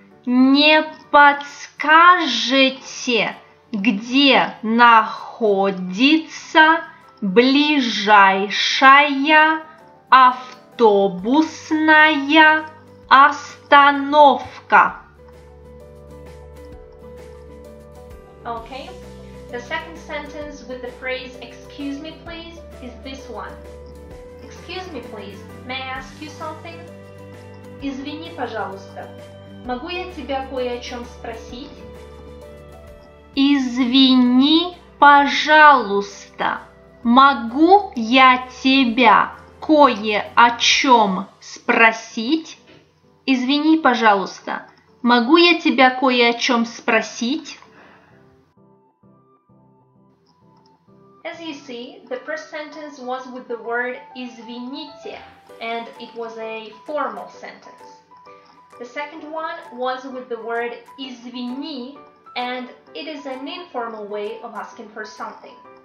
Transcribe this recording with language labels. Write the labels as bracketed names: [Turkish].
[Russian] Не подскажете, где находится ближайшая автобусная остановка? [English] Okay. The second sentence with the phrase excuse me please is this one. Excuse me please, may I ask you something? [Russian] Извини, пожалуйста. Могу я тебя кое о чем спросить? Извини, пожалуйста. Могу я тебя кое о чем спросить? Извини, пожалуйста. Могу я тебя кое о чем спросить? [English] As you see, the first sentence was with the word извините, and it was a formal sentence. The second one was with the word Извини, and it is an informal way of asking for something.